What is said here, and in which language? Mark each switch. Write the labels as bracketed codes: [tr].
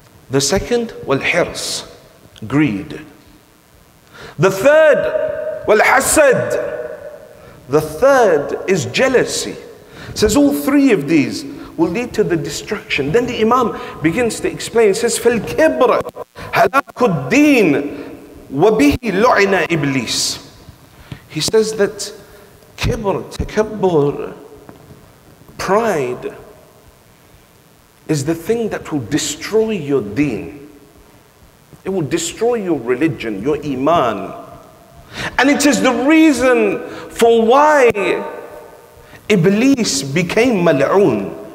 [en] The second, wal-hirs, greed. The third, wal-hasad. The third is jealousy. It says all three of these will lead to the destruction. Then the Imam begins to explain. He says, [ar] فالكبر هلاك الدين وبه لعن إبليس. [en] He says that كبر, تكبر, pride is the thing that will destroy your deen. It will destroy your religion, your iman. And it is the reason for why Iblis became mal'oon.